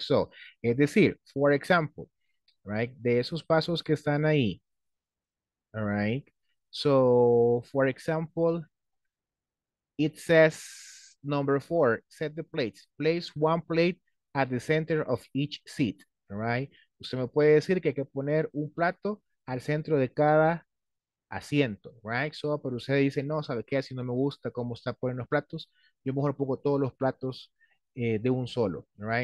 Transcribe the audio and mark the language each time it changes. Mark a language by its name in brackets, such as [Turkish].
[Spanish] So, es decir, [English] for example, [Spanish] right, de esos pasos que están ahí, all right? [English] So, for example, it says number 4, set the plates. Place one plate at the center of each seat, all right? [Spanish] Usted me puede decir que hay que poner un plato al centro de cada asiento, right? So, pero usted dice, no, ¿sabe qué? Si no me gusta cómo está poniendo los platos, yo mejor pongo todos los platos de un solo, right?